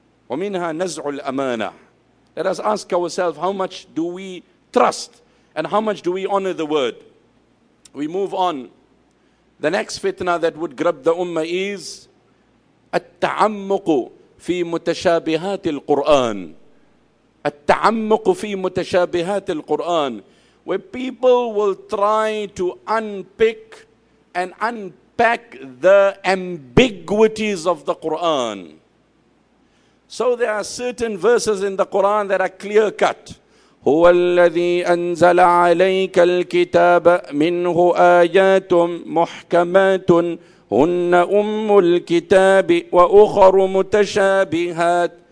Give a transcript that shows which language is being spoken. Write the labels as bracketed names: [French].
[Arabic] وَمِنْهَا نَزْعُ الْأَمَانَةِ. [English] Let us ask ourselves, how much do we trust and how much do we honor the word? We move on. The next fitna that would grab the ummah is [Arabic] التعمق في متشابهات القرآن. التعمق في متشابهات القرآن. [English] Where people will try to unpick and unpack the ambiguities of the Quran. So there are certain verses in the Quran that are clear cut. [Arabic] هُوَ الَّذِي أَنزَلَ عَلَيْكَ الْكِتَابَ مِنْهُ آيَاتٌ مُحْكَمَاتٌ هُنَّ أُمُّ الْكِتَابِ وَأُخَرُ مُتَشَابِهَاتٌ.